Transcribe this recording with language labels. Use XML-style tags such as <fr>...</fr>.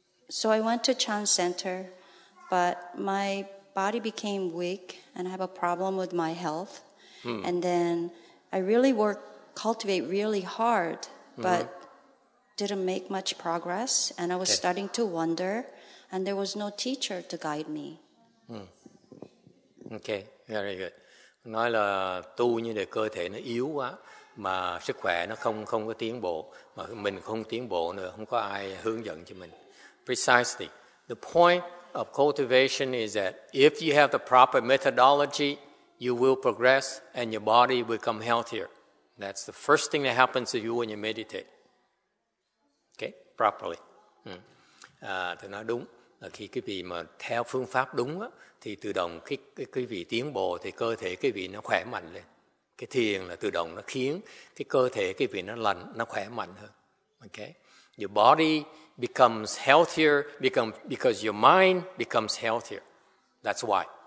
<en>So I went to Chan Center, but my body became weak and I have a problem with my health. Hmm. And then I really cultivate really hard, but didn't make much progress. And I was starting to wonder, and there was no teacher to guide me. Hmm. Okay, very good.</en> <vi>Nói là tu như để cơ thể nó yếu quá, mà sức khỏe nó không có tiến bộ, mà mình không tiến bộ nữa, không có ai hướng dẫn cho mình.</vi> <en>Precisely. The point of cultivation is that if you have the proper methodology, you will progress and your body will become healthier. That's the first thing that happens to you when you meditate. Okay, properly.</en> <vi>Tôi nói đúng là khi quý vị mà theo phương pháp đúng á, thì tự động khi quý vị tiến bộ thì cơ thể quý vị nó khỏe mạnh lên. Cái thiền là tự động nó khiến cái cơ thể quý vị nó lành, nó khỏe mạnh hơn.</vi> <en>Okay, your body becomes healthier because your mind becomes healthier. That's why.</en>